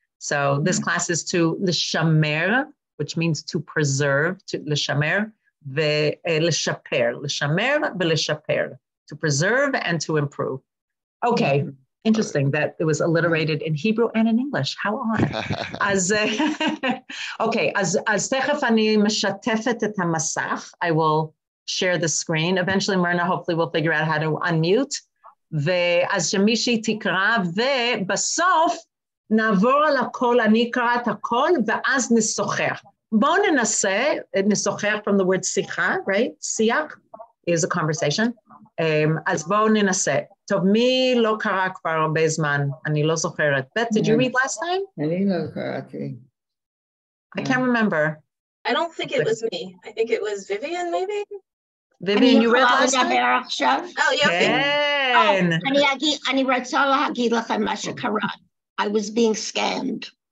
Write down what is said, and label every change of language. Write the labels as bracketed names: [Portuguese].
[English] So this class is to l'shamer, which means to preserve, to l'shamer, v'l'shaper, l'shamer v'l'shaper, to preserve and to improve. Okay, interesting that it was alliterated in Hebrew and in English. How odd. [Hebrew] as techef ani meshatefet et hamasach, [English] I will share the screen. Eventually, Myrna hopefully will figure out how to unmute. [Hebrew] ואז שמישהי תקרא, ובסוף נעבור על הכל, אני אקרא את הכל, ואז נשוחח. בואו ננסה, נשוחח [English] from the word [Hebrew] שיחה, right? [English] שיח is a conversation. [Hebrew] אז בואו ננסה. טוב, מי לא קרא כבר הרבה זמן? אני לא זוכרת. [English] Beth, did you read last time? [Hebrew] אני לא קראתי. [English] I can't remember. I don't think it was me. I think it was Vivian, maybe? Vivian, you read last time? Oh, yeah. [Hebrew] אני רוצה להגיד לכם מה שקרה. [English] I was being scammed.